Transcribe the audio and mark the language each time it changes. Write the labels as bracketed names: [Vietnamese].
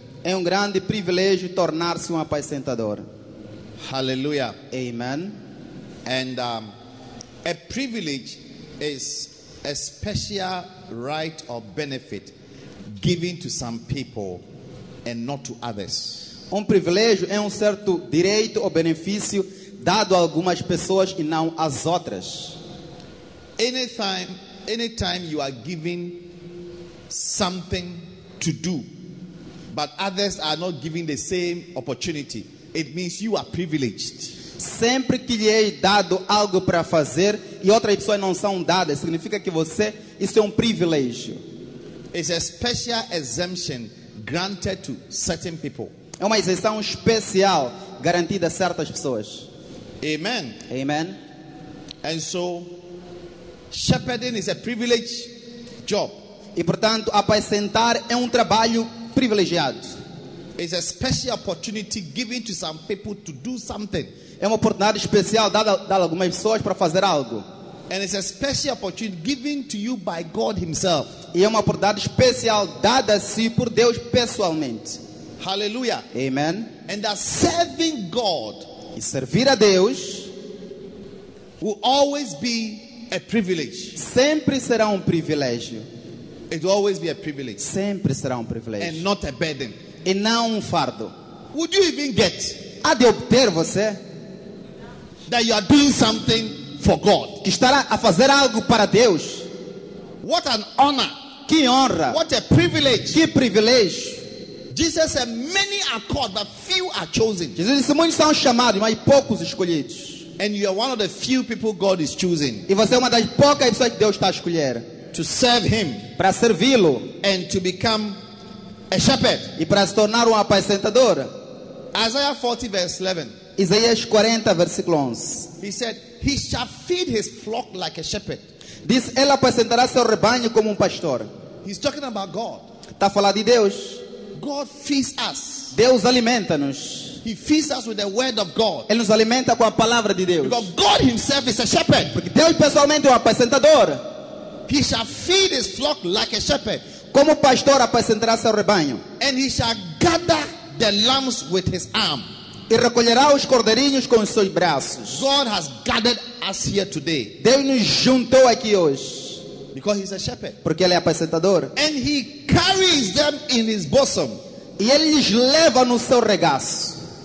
[Portuguese] É grande privilégio tornar-se apacentador. [English] Hallelujah. [Portuguese] Amen. [English] And a privilege is a special right or benefit given to some people and not to others. [Portuguese] Privilégio é certo direito ou benefício dado a algumas pessoas e não às outras. [English] Anytime you are given something to do, but others are not given the same opportunity, it means you are privileged. [Portuguese] Sempre que lhe é dado algo para fazer e outras pessoas não são dadas, significa que você, isso é privilégio. [English] It's a special exemption granted to certain people. [Portuguese] É uma isenção especial garantida a certas pessoas. [English] Amen. [Portuguese] Amen. [English] And so, shepherding is a privilege job. [Portuguese] E portanto, apacentar é trabalho privilegiado. [English] It's a special opportunity given to some people to do something. [Portuguese] É uma oportunidade especial dada a algumas pessoas para fazer algo. [English] And it's a special opportunity given to you by God himself. [Portuguese] E é uma oportunidade especial dada a si por Deus pessoalmente. [English] Hallelujah. [Portuguese] Amen. [English] And that serving God, [Portuguese] e servir a Deus, [English] will always be a privilege. [Portuguese] Sempre será privilégio. [English] It will always be a privilege. [Portuguese] Sempre será privilégio. [English] And not a burden. [Portuguese] E não fardo. [English] Would you even get? [Portuguese] Há de obter você? [English] That you are doing something for God. [Portuguese] Que estará a fazer algo para Deus. [English] What an honor. [Portuguese] Que honra. [English] What a privilege. [Portuguese] Que privilégio. [English] Jesus said many are called but few are chosen. [Portuguese] Jesus disse muitos são chamados, mas poucos escolhidos. [English] And you are one of the few people God is choosing. [Portuguese] E você é das poucas pessoas que Deus está a escolher. [English] To serve him. [Portuguese] Para servi-lo. [English] And to become a shepherd. [Portuguese] E para se tornar apacentador. [English] Isaiah 40 verse 11. [Portuguese] Isaías 40, versículo 11. [English] He said, he shall feed his flock like a shepherd. [Portuguese] Diz, ele apacentará seu rebanho como pastor. [English] He's talking about God. [Portuguese] Tá a falar de Deus. [English] God feeds us. [Portuguese] Deus alimenta-nos. [English] He feeds us with the word of God. [Portuguese] Ele nos alimenta com a palavra de Deus. [English] Because God himself is a shepherd. [Portuguese] Porque Deus pessoalmente apacentador. [English] He shall feed his flock like a shepherd. [Portuguese] Como pastor apacentará seu rebanho. [English] And he shall gather the lambs with his arm. [Portuguese] E recolherá os cordeirinhos com os seus braços. [English] God has gathered us here today. [Portuguese] Deus nos juntou aqui hoje. [English] Because he's a shepherd. [Portuguese] Porque ele apacentador. [English] And he carries them in his bosom. [Portuguese] E ele lhes leva no seu regaço.